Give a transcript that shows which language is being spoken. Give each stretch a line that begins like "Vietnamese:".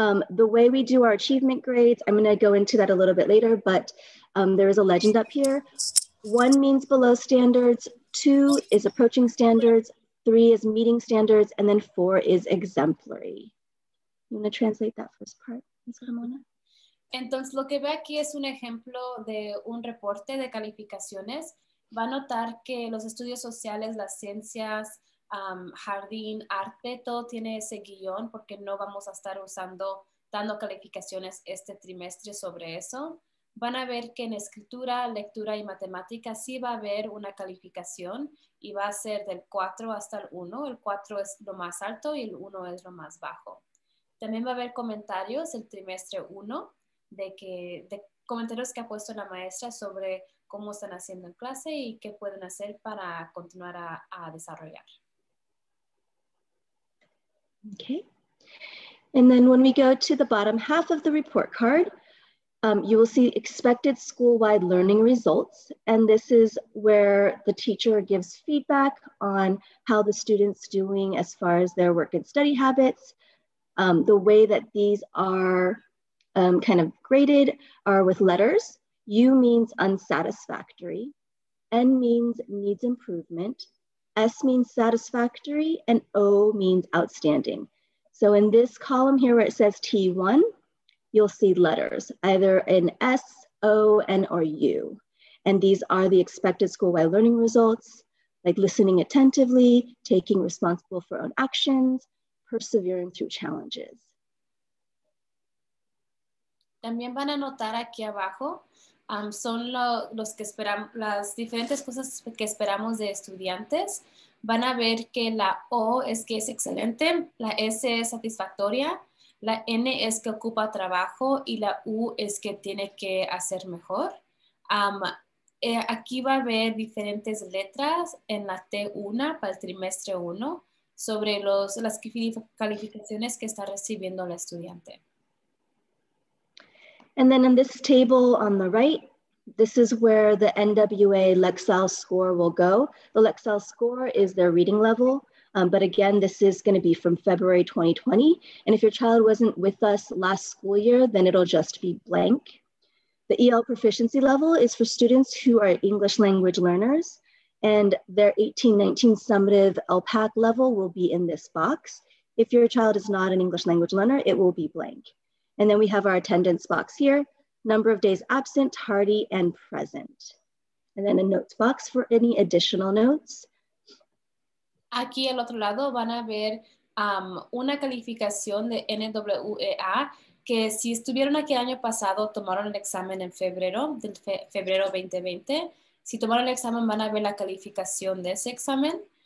English: The way we do our achievement grades, I'm gonna go into that a little bit later, but there is a legend up here. One means below standards, two is approaching standards, three is meeting standards, and then four is exemplary. You wanna translate that first part, Ms. Ramona?
Spanish: Entonces, lo que ve aquí es un ejemplo de un reporte de calificaciones. Va a notar que los estudios sociales, las ciencias, jardín, arte, todo tiene ese guión porque no vamos a estar usando, dando calificaciones este trimestre sobre eso. Van a ver que en escritura, lectura y matemática sí va a haber una calificación y va a ser del 4 hasta el 1. El 4 es lo más alto y el 1 es lo más bajo. También va a haber comentarios el trimestre 1 de comentarios que ha puesto la maestra sobre cómo están haciendo en clase y qué pueden hacer para continuar a desarrollar.
English: Okay, and then when we go to the bottom half of the report card, you will see expected school-wide learning results. And this is where the teacher gives feedback on how the student's doing as far as their work and study habits. The way that these are kind of graded are with letters. U means unsatisfactory, N means needs improvement, S means satisfactory, and O means outstanding. So in this column here where it says T1, you'll see letters, either an S, O, N, or U. And these are the expected school-wide learning results, like listening attentively, taking responsible for own actions, persevering through challenges.
Spanish: También van a notar aquí abajo, son los que esperamos, las diferentes cosas que esperamos de estudiantes. Van a ver que la O es que es excelente, la S es satisfactoria, la N es que ocupa trabajo y la U es que tiene que hacer mejor. Aquí va a haber diferentes letras en la T1 para el trimestre 1 sobre las calificaciones que está recibiendo el estudiante.
English: And then in this table on the right, this is where the NWA Lexile score will go. The Lexile score is their reading level. But again, this is gonna be from February 2020. And if your child wasn't with us last school year, then it'll just be blank. The EL proficiency level is for students who are English language learners, and their 18-19 summative LPAC level will be in this box. If your child is not an English language learner, it will be blank. And then we have our attendance box here, number of days absent, tardy, and present. And then a notes box for any additional notes.
Spanish: Aquí al otro lado van a ver una calificación de NWEA que si estuvieron aquí el año pasado, tomaron el examen en febrero, del febrero 2020. Si tomaron el examen, van a ver la calificación de ese examen.